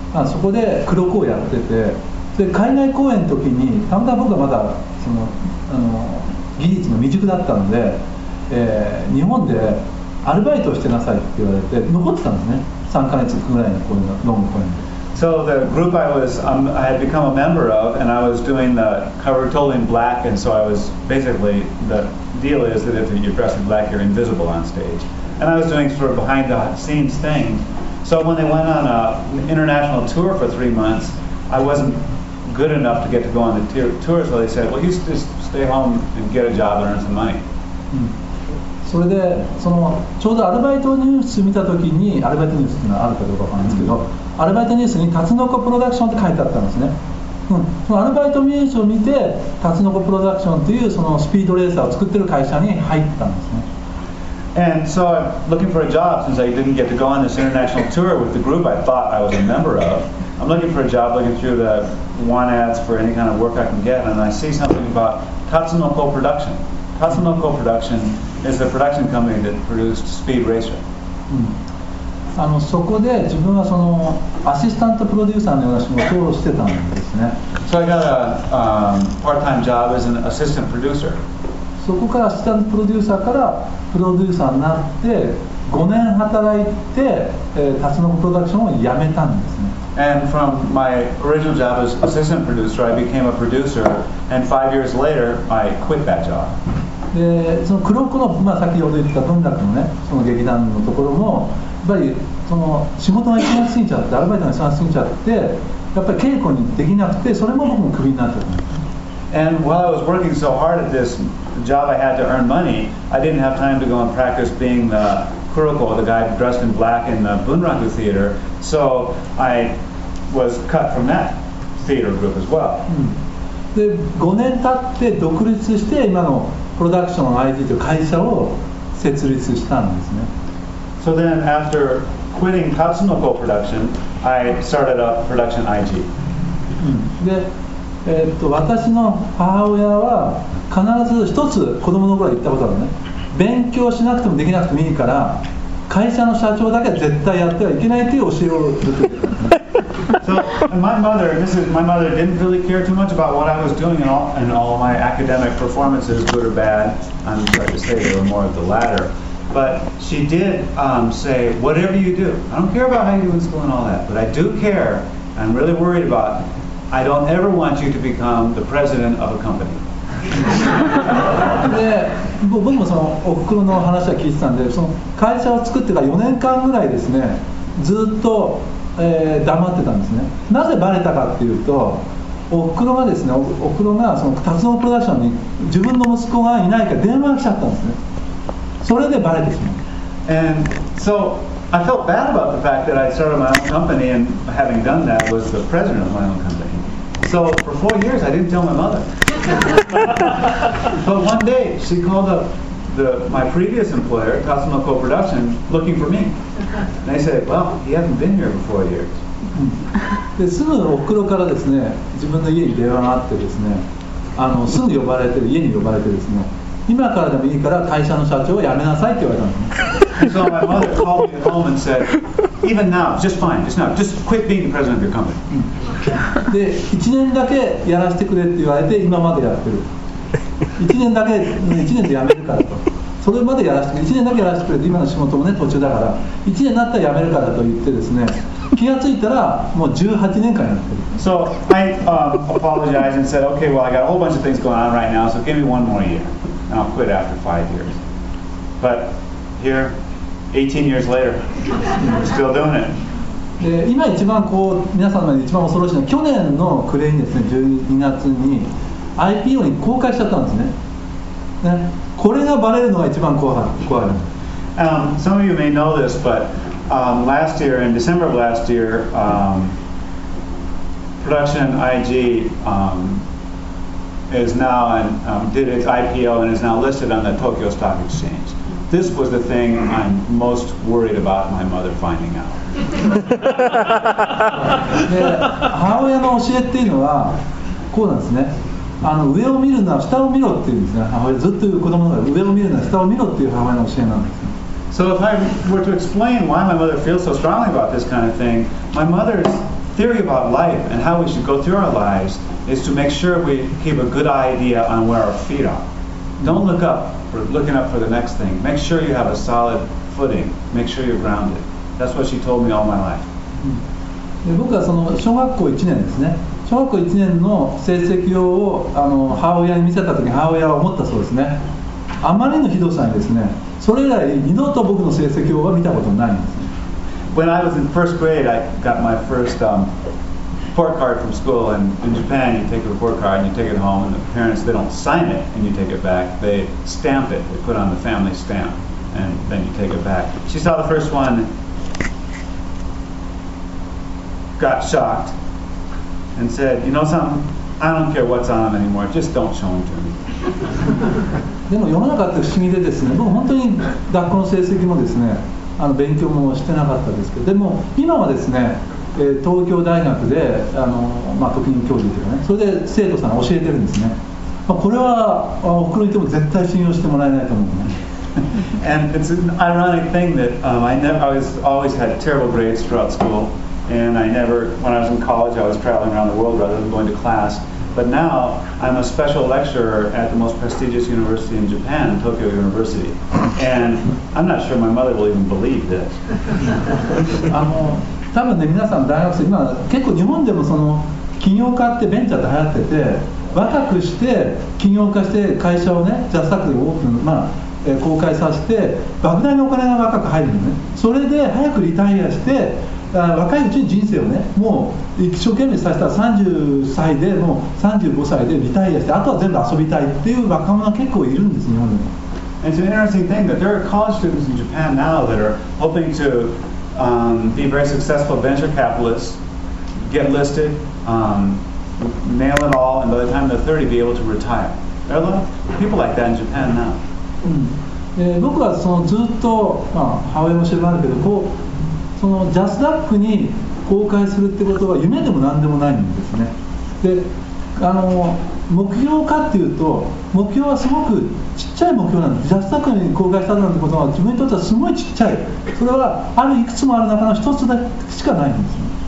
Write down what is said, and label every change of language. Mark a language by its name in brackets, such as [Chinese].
[Japanese] そこで黒子をやってて、で海外公演の時にたまたま僕はまだその技術の未熟だったので、日本でアルバイトをしてなさいって言われて残ってたんですね。 3ヶ月ぐらいの公演がロング公演で。 [English] So the group I had become a member of, and I was doing the cover totally in black, and so I was basically the deal is that if you're dressed in black, you're invisible on stage, and I was doing sort of behind the scenes things. So when they went on an international tour for 3 months, I wasn't good enough to get to go on the tour, so they said, well, you just stay home and get a job and earn some money. [Japanese] それで、ちょうどアルバイトニュース見たときに、アルバイトニュースっていうのはあるかどうかわかんないですけど、アルバイトニュースにタツノコプロダクションって書いてあったんですね。そのアルバイトニュースを見て、タツノコプロダクションというそのスピードレーサーを作ってる会社に入ったんですね。 [English] And so I'm looking for a job since I didn't get to go on this international tour with the group I thought I was a member of. I'm looking for a job, looking through the want ads for any kind of work I can get, and I see something about Tatsunoko Production. Tatsunoko Production is the production company that produced Speed Racer. [Japanese] そこで自分はそのアシスタントプロデューサーのような仕事をしてたんですね。 [English] So I got a part-time job as an assistant producer. [Japanese] そこからアシスタントプロデューサーからプロデューサーになって5年働いて、タツノコプロダクションを辞めたんですね。 [English] And from my original job as assistant producer, I became a producer, and 5 years later, I quit that job. [Japanese] で、その黒子の、まあ、先ほど言った文楽のね、その劇団のところも、やっぱりその仕事が忙しすぎちゃって、アルバイトが忙しすぎちゃって、やっぱり稽古にできなくて、それも僕もクビになっちゃった。 [English] And while I was working so hard at this job I had to earn money, I didn't have time to go and practice being the kuroko, the guy dressed in black in the bunraku theater, so I was cut from that theater group as well. [Japanese] で、5年経って独立して今のプロダクション IG という会社を設立したんですね。 [English] So then after quitting Tatsunoko Production, I started up Production IG. [Japanese] で私の母親は必ず一つ子供の頃は言ったことあるね。勉強しなくてもできなくてもいいから会社の社長だけは絶対やってはいけないという教えを言ってた。 [English] So my mother didn't really care too much about what I was doing and all my academic performances, good or bad. I'm sorry to say they were more of the latter. But she did say, whatever you do, I don't care about how you do in school and all that, but I do care. I'm really worried aboutI don't ever want you to become the president of a company. [Japanese] で、僕もそのおふくろの話は聞いてたんで、その会社を作ってから4年間ぐらいですね、ずっと、黙ってたんですね。なぜバレたかっていうと、おふくろがですね、おふくろがそのタツノプロダクションに自分の息子がいないか電話が来ちゃったんですね。それでバレてしまう。 [English] And so,I felt bad about the fact that I started my own company and having done that was the president of my own company. So for 4 years, I didn't tell my mother. But one day, she called up my previous employer, Cosmo Co-Production, looking for me. And I said, well, he hasn't been here for 4 years. [Japanese] で、すぐのおふくろからですね、自分の家に電話があってですね、すぐ呼ばれて、家に呼ばれてですね、今からでもいいから会社の社長を辞めなさいって言われたんです。 [English] So my mother called me at home and said, even now, just fine, just now, just quit being the president of your company. [Japanese] で、1年だけやらせてくれって言われて、今までやってる。 1年だけ、1年で辞めるからと。それまでやらせてくれ、1年だけやらせてくれって、今の仕事もね、途中だから、1年になったら辞めるからと言ってですね、気がついたらもう18年間やってる。 [English] So I apologized and said, okay, well, I got a whole bunch of things going on right now, so give me one more year. And I'll quit after 5 years. But here, 18 years later, we're still doing it. [Japanese] 今一番こう皆様に一番恐ろしいのは去年の暮れにですね、12月に IPO に公開しちゃったんですね。ね、これがバレるのが一番怖い。 [English] Some of you may know this, but last year, in December of last year, Production IG, is now and did its IPO and is now listed on the Tokyo Stock Exchange. This was the thing I'm most worried about my mother finding out. [Japanese] で、母親の教えっていうのはこうなんですね。上を見るな、下を見ろっていうんですね。母親ずっと子供が上を見るな、下を見ろっていう母親の教えなんですね。 [English] So if I were to explain why my mother feels so strongly about this kind of thing, my mother's theory about life and how we should go through our lives. Is to make sure we keep a good idea on where our feet are. Don't look up for looking up for the next thing. Make sure you have a solid footing. Make sure you're grounded. That's what she told me all my life. [Japanese] で、僕はその小学校1年ですね。小学校1年の成績表を母親に見せた時、母親は思ったそうですね。あまりのひどさにですね、それ以来二度と僕の成績表は見たことないんですね。 [English] When I was in first grade, I got my first report card from school, and in Japan you take a report card and you take it home, and the parents, they don't sign it and you take it back, they stamp it, they put on the family stamp, and then you take it back. She saw the first one, got shocked, and said, you know something, I don't care what's on them anymore, just don't show them to me. [Japanese] でも世の中って不思議でですね、僕本当に学校の成績もですね、勉強もしてなかったですけど、でも今はですね、東京大学で特任教授というかね、それで生徒さんが教えてるんですね。これはおふくろにいても絶対信用してもらえないと思うね。 [English] And it's an ironic thing that I always had terrible grades throughout school, and I never, when I was in college, I was traveling around the world rather than going to class. But now I'm a special lecturer at the most prestigious university in Japan, Tokyo University, and I'm not sure my mother will even believe this. [Japanese] 多分ね、皆さん大学生、今結構日本でもその起業家ってベンチャーって流行ってて、若くして起業家して会社をね、ジャスタックでオープン、公開させて莫大なお金が若く入るのね。それで早くリタイアして、若いうちに人生をね、もう一生懸命させたら30歳でもう35歳でリタイアして、あとは全部遊びたいっていう若者結構いるんです、日本でも。 [English] It's an interesting thing that there are college students in Japan now that are hoping toBe very successful venture capitalists, get listed, nail it all, and by the time they're 30, be able to retire. There are a lot of people like that in Japan now. [Japanese] 僕はそのずっと、母親も知らないけど、こうそのジャスダックに公開するってことは夢でも何でもないんですね。で、目標かっていうと、目標はすごくちっちゃい目標なんです。ジャスダックに公開したなんてことは自分にとってはすごいちっちゃい。それはいくつもある中の一つだけしかないんです。